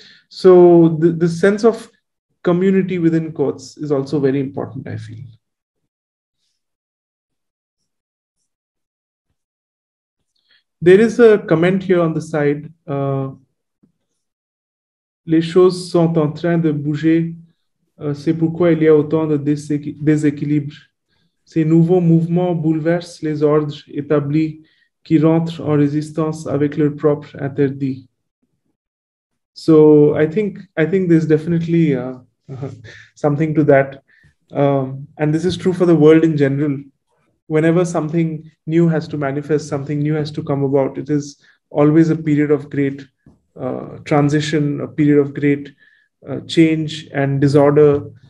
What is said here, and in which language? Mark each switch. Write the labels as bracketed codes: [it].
[en] So the sense of community within courts is also very important, I feel. There is a comment here on the side. [fr] Les choses sont en train de bouger. C'est pourquoi il y a autant de déséquilibre. Ces nouveaux mouvements bouleversent les ordres établis qui rentrent en résistance avec leur propre interdit. [en] So I think there's definitely something to that. And this is true for the world in general. Whenever something new has to manifest, something new has to come about, it is always a period of great transition, a period of great change and disorder.